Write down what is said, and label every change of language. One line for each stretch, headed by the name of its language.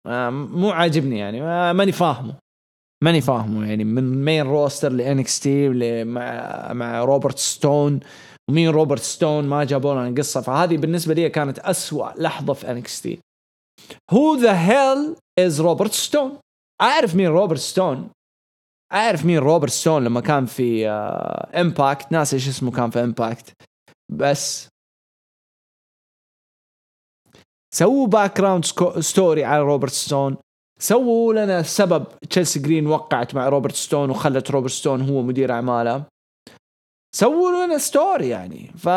Arabic: مو عاجبني يعني ماني فاهمه يعني من مين روستر لإنكستي مع روبرت ستون, ومين روبرت ستون ما جابوا لنا قصة. فهذه بالنسبة لي كانت أسوأ لحظة في إنكستي.
English: Who the hell is Robert Stone?
Arabic: أعرف مين روبرت ستون, أعرف مين روبرت ستون لما كان في إمباكت, ناس إيش اسمه كان في إمباكت, بس سووا باكراوند ستوري على روبرت ستون, سووا لنا سبب تشيلسي جرين وقعت مع روبرت ستون وخلت روبرت ستون هو مدير أعماله, سووا لنا ستوري يعني.